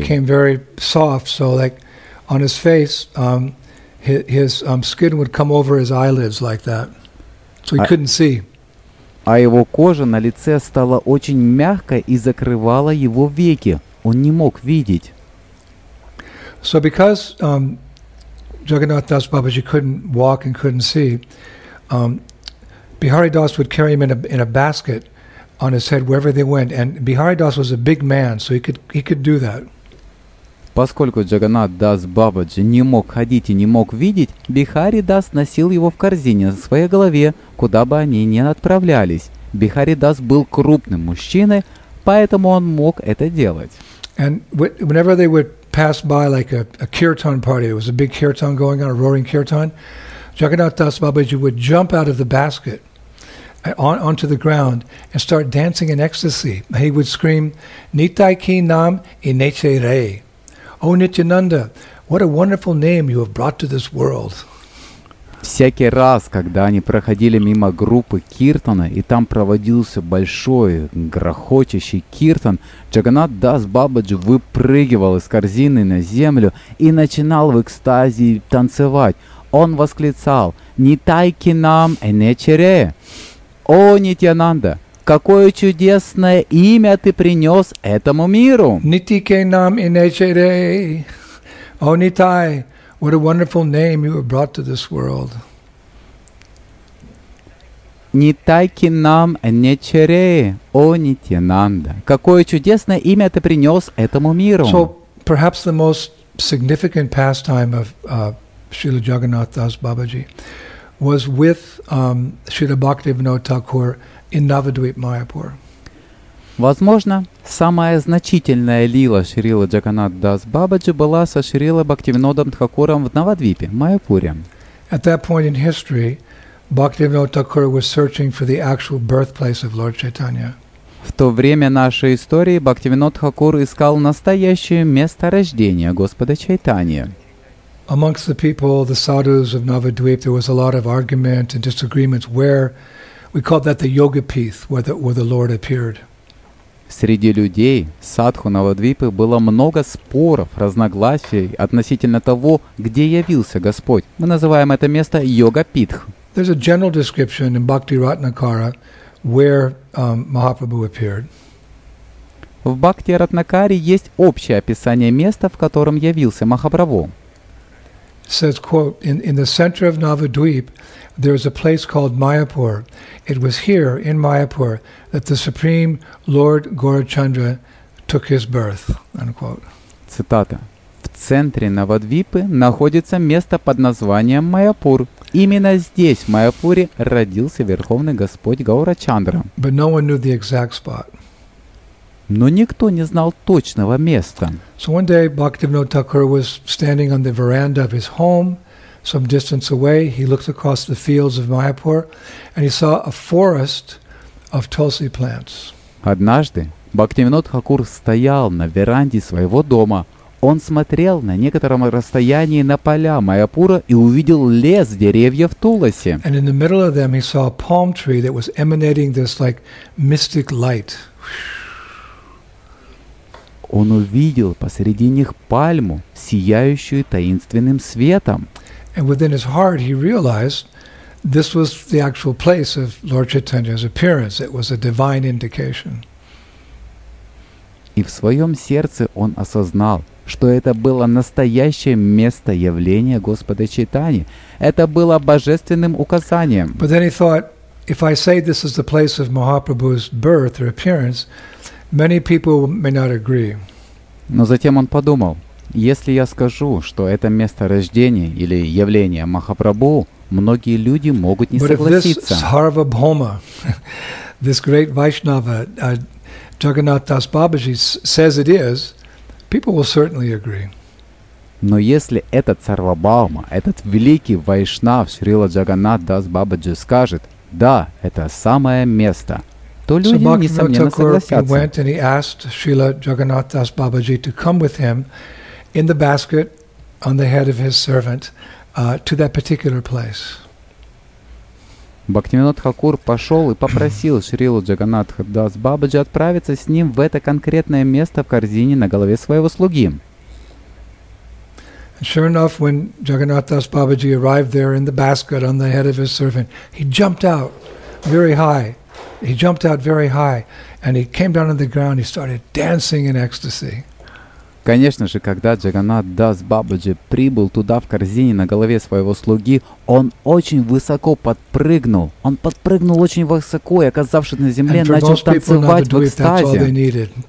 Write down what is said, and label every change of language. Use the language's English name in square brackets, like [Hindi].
[English] His skin became very soft, so like on his face, his skin would come over his eyelids like that, so he couldn't see. [Russian] А его кожа на лице стала очень мягкой и закрывала его веки. Он не мог видеть. [English] So because Jagannath Das Babaji couldn't walk and couldn't see, Bihari Das would carry him in a basket on his head wherever they went. And Bihari Das was a big man, so he could do that. [Russian] Поскольку Джаганнат Дас Бабаджи не мог ходить и не мог видеть, Бихари Дас носил его в корзине на своей голове, куда бы они ни отправлялись. Бихари Дас был крупным мужчиной, поэтому он мог это делать. [English] And whenever they would passed by like a kirtan party. It was a big kirtan going on, a roaring kirtan. Jagannath Das Babaji would jump out of the basket onto the ground and start dancing in ecstasy. He would scream, [Bangla] Nitai ki nam ineche re. [English] O Nityananda, what a wonderful name you have brought to this world. [Russian] Всякий раз, когда они проходили мимо группы киртана, и там проводился большой, грохочущий киртан, Джагнат Дас Бабаджи выпрыгивал из корзины на землю и начинал в экстазе танцевать. Он восклицал: [Bangla] «Нитай ки нам энечере! [Russian] О, Нитьянанда, какое чудесное имя ты принес этому миру!» [Bangla] «Нитай ки нам энечере! О, Нитай! [English] What a wonderful name you have brought to this world. [Bangla] Нитай ки нам энечере, [Russian] о Нитьянанда. Какое чудесное имя ты принес этому миру. [English] So, perhaps the most significant pastime of Srila Jagannath Das Babaji was with Srila Bhaktivinoda Thakur in Navadvip Mayapur. [Russian] Возможно, самая значительная лила Шрилы Джаганнат Дас Бабаджи была со Шрилой Бхактивинодом Тхакуром в Навадвипе, Майяпуре. [English] At that point in history, Bhaktivinoda Thakur was searching for the actual birthplace of Lord Chaitanya. [Russian] В то время нашей истории Бхактивинод Тхакур искал настоящее место рождения Господа Чайтанья. [English] Amongst the people, the sadhus of Navadvip, there was a lot of argument and disagreements where we call that the Yogapith, where the Lord appeared. [Russian] Среди людей садху Навадвипы было много споров, разногласий относительно того, где явился Господь. Мы называем это место Йога-Питх. [English] There's a general description in Bhakti Ratnakara where Mahaprabhu appeared. [Russian] В Бхакти Ратнакаре есть общее описание места, в котором явился Махапрабху. [English] It says, quote, in the center of Navadvip, there is a place called Mayapur. It was here, in Mayapur, that the Supreme Lord Gaurachandra took his birth, unquote. [Russian] Цитата. В центре Навадвипы находится место под названием Майяпур. Именно здесь, в Майяпуре, родился Верховный Господь Гаурачандра. [English] But no one knew the exact spot. [Russian] Но никто не знал точного места. [English] So one day Bhaktivinoda Thakur was standing on the veranda of his home, some distance away. He looked across the fields of Mayapur, and he saw a forest of tulsi plants. [Russian] Однажды Бхактивинода Тхакур стоял на веранде своего дома. Он смотрел на некотором расстоянии на поля Майяпура и увидел лес деревьев Туласи. [English] And in the middle of them he saw a palm tree that was emanating this like mystic light. [Russian] Он увидел посреди них пальму, сияющую таинственным светом. [English] And within his heart he realized this was the actual place of Lord Chaitanya's appearance. It was a divine indication. [Russian] И в своем сердце он осознал, что это было настоящее место явления Господа Чайтани. Это было божественным указанием. [English] But then he thought, if I say this is the place of Mahaprabhu's birth or appearance, many people may not agree. [Russian] Но затем он подумал, если я скажу, что это место рождения или явления Махапрабху, многие люди могут не [English] But [Russian] согласиться. [English] But if this Sarvabhauma, this great Vaishnava, Jagannath Das Babaji says it is, people will certainly agree. [Russian] Но если этот Сарвабхаума, этот великий Вайшнав Шрила Джаганнат Дас Бабаджи скажет, да, это самое место, то люди, несомненно, согласятся. [English] So Bhakti Murtakur went and he asked Shrila Jagannath Das Babaji to come with him in the basket on the head of his servant to that particular place. [Russian] Бхактивинод Хакур пошел и попросил Шрилу Джаганнатха Дас Бабаджи отправиться с ним в это конкретное место в корзине на голове своего слуги. [English] Sure enough, when Jagannath Das Babaji arrived there in the basket on the head of his servant, he jumped out very high. He jumped out very high, and he came down on the ground. He started dancing in ecstasy. [Russian] Конечно же, когда Джаганнат Дас Бабаджи прибыл туда в корзине на голове своего слуги, он очень высоко подпрыгнул. Он подпрыгнул очень высоко и, оказавшись на земле, начал танцевать в экстазе.